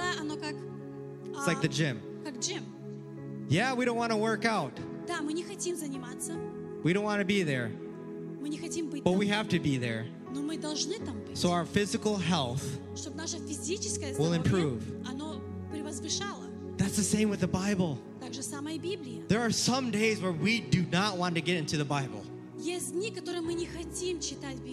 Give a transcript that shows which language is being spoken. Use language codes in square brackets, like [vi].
[en] It's like the gym. Yeah, we don't want to work out. [ru] Да, мы не хотим заниматься. [en] We don't want to be there. [ru] Мы не хотим быть [en] but [ru] там. [en] We have to be there. [ru] Но мы должны там быть. [en] So our physical health [ru] чтобы наше физическое здоровье [en] will improve. [ru] Оно превозвышало. [en] That's the same with the Bible. [ru] Так же самое и Библия. [en] There are some days where we do not want to get into the Bible. [ru] Есть дни, которые мы не хотим читать Библию.